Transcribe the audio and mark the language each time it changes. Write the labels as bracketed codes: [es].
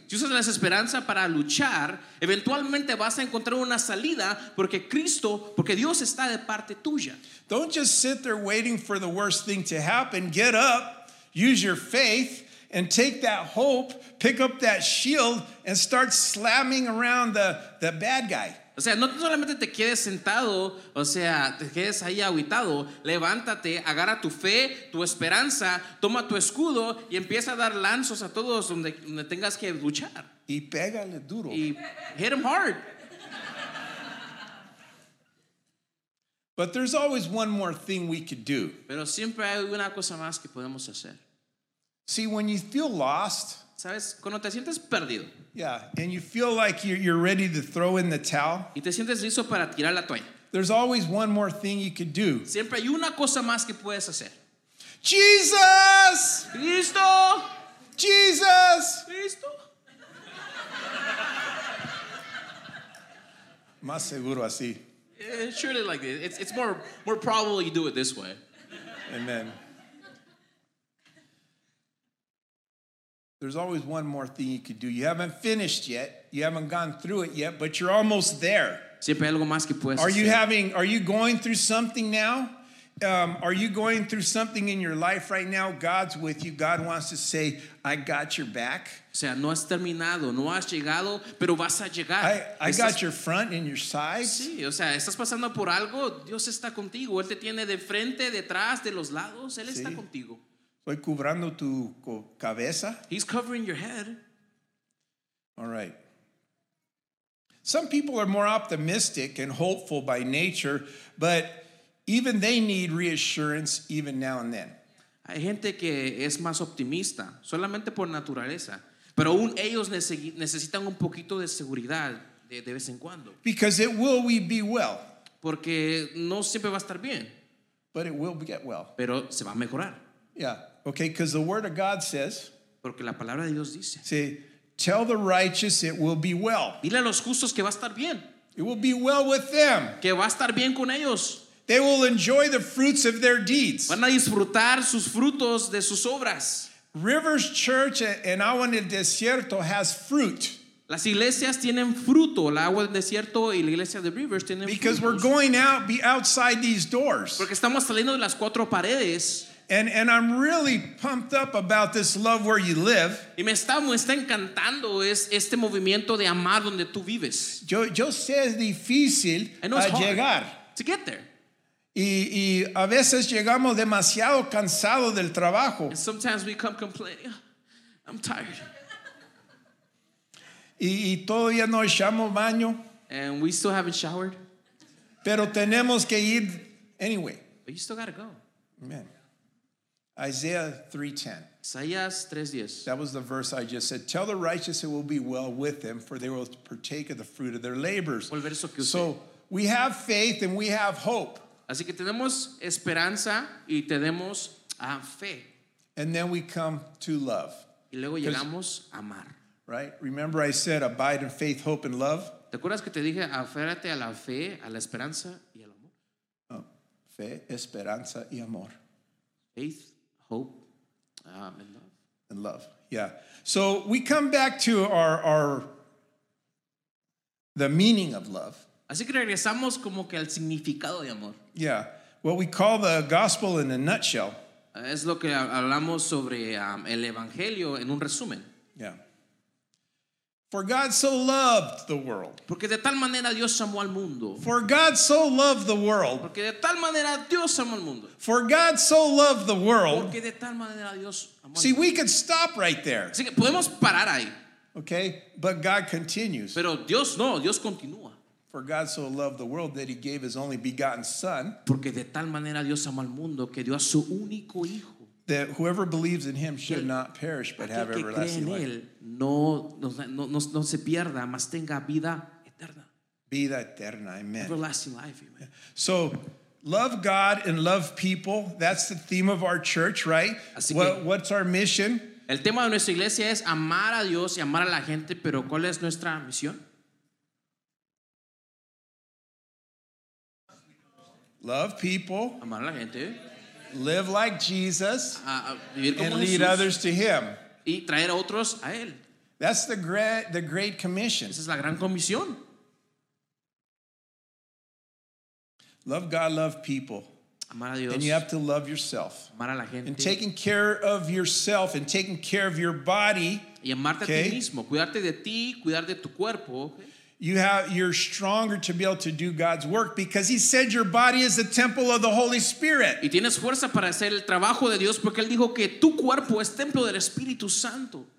[es] Si usas la esperanza para luchar, eventualmente vas a encontrar una salida porque Cristo, porque Dios está de parte tuya. [en] Don't just sit there waiting for the worst thing to happen. Get up, use your faith, and take that hope, pick up that shield, and start slamming around the bad guy. [es] O sea, no solamente te quedes sentado, o sea, te quedes ahí aguitado. Levántate, agarra tu fe, tu esperanza, toma tu escudo y empieza a dar lanzos a todos donde tengas que luchar. Y pégale duro. [en] Y hit them hard. But there's always one more thing we could do. [es] Pero siempre hay una cosa más que podemos hacer. [en] See, when you feel lost. [es] ¿Sabes? Cuando te sientes perdido. [en] Yeah, and you feel like you're ready to throw in the towel. [es] Y te sientes listo para tirar la toalla. [en] There's always one more thing you could do. [es] Siempre hay una cosa más que puedes hacer. [en] Jesus! [es] Cristo! [en] Jesus! [es] Cristo! Más seguro así. [en] It's surely like this. It's more probable you do it this way. Amen. There's always one more thing you could do. You haven't finished yet. You haven't gone through it yet, but you're almost there. [es] Siempre hay algo más que puedes [en] are you [es] hacer. [en] Having, are you going through something now? Are you going through something in your life right now? God's with you. God wants to say, I got your back. [es] O sea, no has terminado, no has llegado, pero vas a llegar. [en] I got your front and your sides. [es] Sí, o sea, estás pasando por algo. Dios está contigo. Él te tiene de frente, detrás, de los lados. Él sí. Está contigo. Estoy cubriendo tu cabeza. [en] He's covering your head. All right. Some people are more optimistic and hopeful by nature, but even they need reassurance even now and then. [es] Hay gente que es más optimista, solamente por naturaleza, pero aún ellos necesitan un poquito de seguridad de vez en cuando. [en] Because it will we be well. [es] Porque no siempre va a estar bien. [en] But it will get well. [es] Pero se va a mejorar. [en] Yeah. Okay, because the word of God says. [es] Porque la palabra de Dios dice. [en] See, tell the righteous it will be well. [es] Dile a los justos que va a estar bien. [en] It will be well with them. [es] Que va a estar bien con ellos. [en] They will enjoy the fruits of their deeds. [es] Van a disfrutar sus frutos de sus obras. [en] Rivers Church and Agua en el Desierto has fruit. [es] Las iglesias tienen fruto. La Agua del Desierto y la iglesia de Rivers tienen fruto. [en] Because we're going out be outside these doors. [es] Porque estamos saliendo de las cuatro paredes. [en] And I'm really pumped up about this love where you live. [es] Y me está encantando es este movimiento de amar donde tú vives. Yo sé es difícil a llegar. [en] To get there. [es] Y a veces llegamos demasiado cansado del trabajo. [en] And sometimes we come complaining. I'm tired. [es] Y todavía no echamos baño. [en] And we still haven't showered. [es] Pero tenemos que ir anyway. [en] But you still gotta go. Amen. Isaiah 3:10. [es] Isaías 3:10. [en] That was the verse I just said. Tell the righteous it will be well with them, for they will partake of the fruit of their labors. So we have faith and we have hope. [es] Así que tenemos esperanza y tenemos fe. [en] And then we come to love. [es] Y luego llegamos a amar. [en] Right? Remember I said abide in faith, hope, and love? [es] ¿Te acuerdas que te dije aférrate a la fe, a la esperanza y al amor? Oh, fe, esperanza y amor. [en] Faith, hope, and love. And love, yeah. So we come back to our the meaning of love. [es] Así que regresamos como que al significado de amor. [en] Yeah, what we call the gospel in a nutshell. [es] Es lo que hablamos sobre el evangelio en un resumen. [en] Yeah. For God so loved the world. [es] Porque de tal manera Dios amó al mundo. [en] For God so loved the world. [es] Porque de tal manera Dios amó al mundo. [en] For God so loved the world. [es] Porque de tal manera Dios amó al [en] See, [es] mundo. [en] We could stop right there. [es] Así que podemos parar ahí. [en] Okay, but God continues. [es] Pero Dios no, Dios continúa. [en] For God so loved the world that he gave his only begotten son. [es] Porque de tal manera Dios amó al mundo que dio a su único hijo. [en] That whoever believes in him should not perish but have everlasting life. [es] No se pierda, mas tenga vida eterna. Vida eterna, amen. [en] Everlasting life, amen. So, love God and love people. That's the theme of our church, right? What's our mission? [es] El tema de nuestra iglesia es amar a Dios y amar a la gente, pero ¿cuál es nuestra misión? [en] Love people. [es] Amar a la gente. [en] Live like Jesus [es] vivir como [en] and lead [es] Jesús, [en] others to him. [es] Y traer a otros a él. [en] That's the great commission. [es] Esa es la gran comisión. [en] Love God, love people. [es] Amar a Dios. [en] And you have to love yourself. [es] Amar a la gente. [en] And taking care of yourself and taking care of your body. [es] Y amarte [en] okay? [es] a ti mismo. Cuidarte de ti, cuidar de tu cuerpo. Okay? [en] You're stronger to be able to do God's work because he said your body is the temple of the Holy Spirit. [es] Y tienes fuerza para hacer el trabajo de Dios porque él dijo que tu cuerpo es templo del Espíritu Santo.